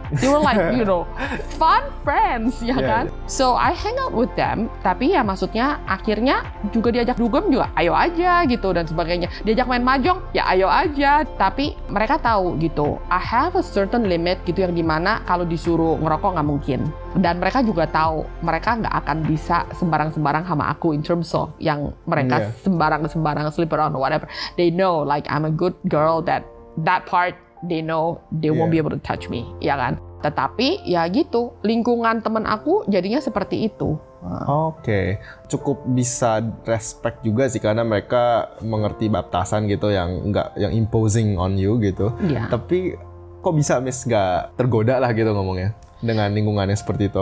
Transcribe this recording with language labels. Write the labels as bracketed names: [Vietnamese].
[English] They were like, you know, fun friends, [Indonesian] ya kan? [English] Yeah. So I hang out with them, [Indonesian] tapi ya maksudnya akhirnya juga diajak dugem juga, ayo aja gitu dan sebagainya. Diajak main mahjong, ya ayo aja. Tapi mereka tahu gitu, [English] I have a certain limit [Indonesian] gitu yang dimana kalau disuruh ngerokok nggak mungkin. Dan mereka juga tahu, mereka nggak akan bisa sembarang-sembarang sama aku [English] in terms of [Indonesian] yang mereka sembarang-sembarang [English] sleep around or whatever. They know like I'm a good girl that part. They know they won't be able to touch me, [Indonesian] ya kan? Tetapi ya gitu, lingkungan teman aku jadinya seperti itu. Oke, cukup bisa respect juga sih karena mereka mengerti batasan gitu yang enggak yang [English] imposing on you [Indonesian] gitu. [English] Yeah. [Indonesian] Tapi kok bisa Miss enggak tergoda lah gitu ngomongnya dengan lingkungannya seperti itu?